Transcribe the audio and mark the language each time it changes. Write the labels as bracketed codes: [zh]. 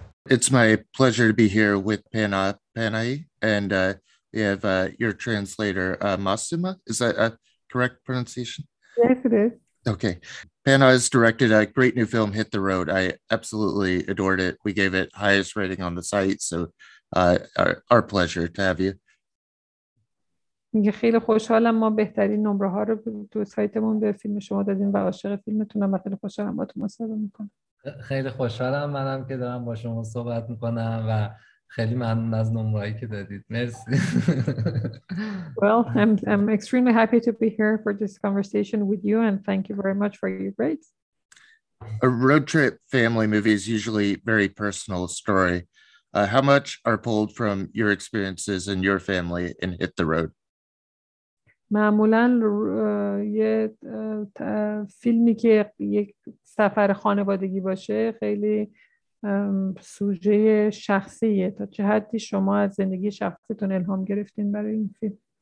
[en] It's my pleasure to be here with Panay, and we have your translator, Massima. Is that a correct pronunciation? Yes, it is. Okay. Panay has directed a great new film, Hit the Road. I absolutely adored it. We gave it highest rating on the site, so our pleasure to have you. [fa] میگه خیلی خوشحالم ما بهترین نمره ها رو تو سایتمون به فیلم شما دادیم و عاشق فیلمتونم و خیلی خوشحالم با تو مصاحبه میکنم. خیلی خوشحالم منم که دارم با شما صحبت میکنم و خیلی ممنون از نمره هایی که دادید. مرسی. [en] Well, I'm extremely happy to be here for this conversation with you and thank you very much for your grades. A road trip family movie is usually a very personal story. How much are pulled from your experiences and your family in Hit the Road? [fa] معمولاً یه فیلمی که یک سفر خانوادگی باشه خیلی سوژه شخصیه. تا چه حدی شما از زندگی شخصیتون الهام گرفتین برای این فیلم؟